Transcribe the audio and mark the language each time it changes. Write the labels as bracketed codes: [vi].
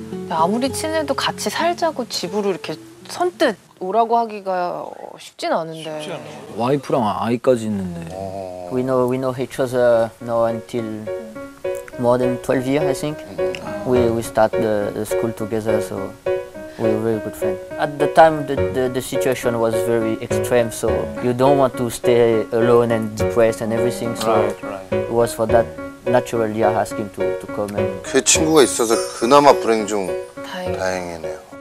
[ko] 아무리 친해도 같이 살자고 집으로 이렇게 선뜻 오라고 하기가 쉽진 않은데. 쉽지 않아. 와이프랑 아이까지 있는데. [en] We know each other now until more than 12 years, I think. We start the school together, so we're a very good friend. At the time, the situation was very extreme, so you don't want to stay alone and depressed and everything. So right. It was for that. Naturally, I asked him to come and. [ko] 그 친구가 있어서 그나마 불행 중 다행이네요.